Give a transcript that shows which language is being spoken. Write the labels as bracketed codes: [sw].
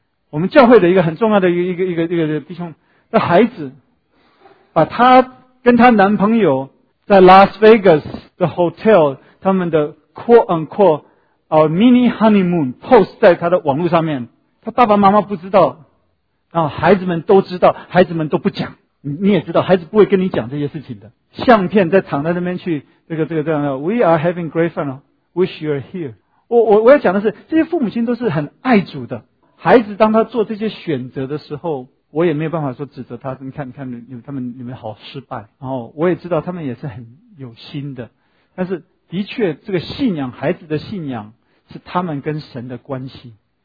[zh] 我们教会的一个很重要的一个弟兄的孩子，把他跟他男朋友在 Las Vegas 的 hotel 他们的 [en] quote unquote our mini honeymoon [zh] post 在他的网络上面，他爸爸妈妈不知道，然后孩子们都知道，孩子们都不讲。你也知道孩子不会跟你讲这些事情的，相片在躺在那边去这个这样的。 [en] We are having great fun Wish you're here。 [zh] 我要讲的是，这些父母亲都是很爱主的。孩子当他做这些选择的时候，我也没有办法说指责他，你看你们好失败。然后我也知道他们也是很有心的，但是的确这个信仰，孩子的信仰是他们跟神的关系。